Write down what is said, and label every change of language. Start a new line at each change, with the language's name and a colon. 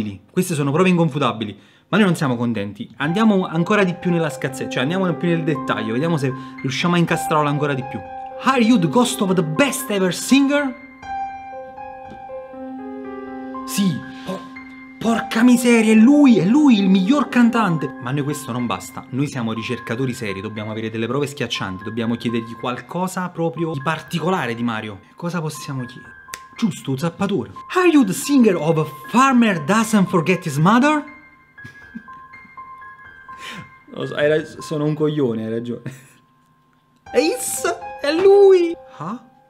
Italian: Queste sono prove inconfutabili. Ma noi non siamo contenti. Andiamo ancora di più nella scazzetta. Cioè, andiamo più nel dettaglio. Vediamo se riusciamo a incastrarlo ancora di più.
English: Are you the ghost of the best ever singer?
Italian: Sì. Porca miseria, è lui il miglior cantante. Ma a noi questo non basta. Noi siamo ricercatori seri, dobbiamo avere delle prove schiaccianti. Dobbiamo chiedergli qualcosa proprio di particolare di Mario. Cosa possiamo chiedere? Giusto, zappatura.
English: Are you the singer of A Farmer Doesn't Forget His Mother?
Italian: Lo so, sono un coglione, hai ragione. Ace, è lui! Huh?